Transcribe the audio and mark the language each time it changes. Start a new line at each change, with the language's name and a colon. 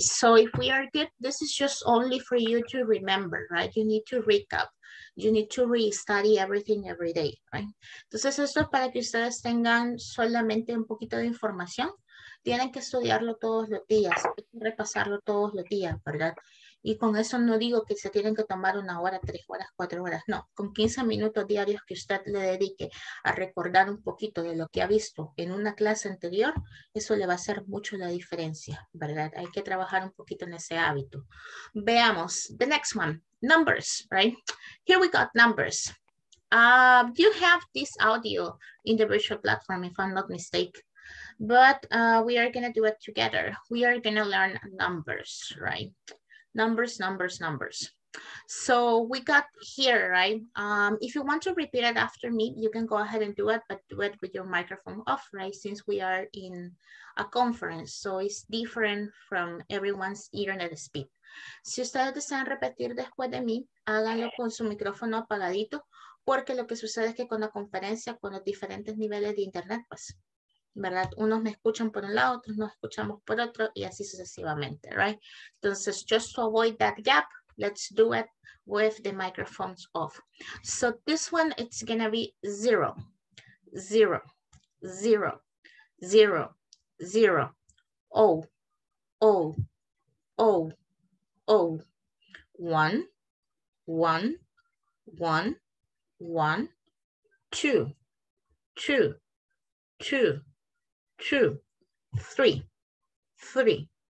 English: So if we are good, this is just only for you to remember, right? You need to recap. You need to re-study everything every day, right?
Spanish: Entonces esto es para que ustedes tengan solamente un poquito de información. Tienen que estudiarlo todos los días, repasarlo todos los días, ¿verdad? Y con eso no digo que se tienen que tomar una hora, tres horas, cuatro horas. No, con 15 minutos diarios que usted le dedique a recordar un poquito de lo que ha visto en una clase anterior, eso le va a hacer mucho la diferencia, ¿verdad? Hay que trabajar un poquito en ese hábito.
English: Veamos, the next one, numbers, right? Here we got numbers. You have this audio in the virtual platform, if I'm not mistaken. But we are going to do it together. We are going to learn numbers, right? Numbers, numbers, numbers. So we got here, right? If you want to repeat it after me, you can go ahead and do it, but do it with your microphone off, right? Since we are in a conference, so it's different from everyone's internet speed.
Spanish: Si ustedes desean repetir después de mí, háganlo con su micrófono apagadito, porque lo que sucede es que con la conferencia, con los diferentes niveles de internet, pues, ¿verdad? Unos me escuchan por un lado, otros nos escuchamos por otro, y así sucesivamente, right?
English: Entonces, just to avoid that gap, let's do it with the microphones off. So this one, it's gonna be 0, 0, 0, 0, 0, O, O, O, O, 1, 1, 1, 1, 2, 2, 2, 2, 3, 3,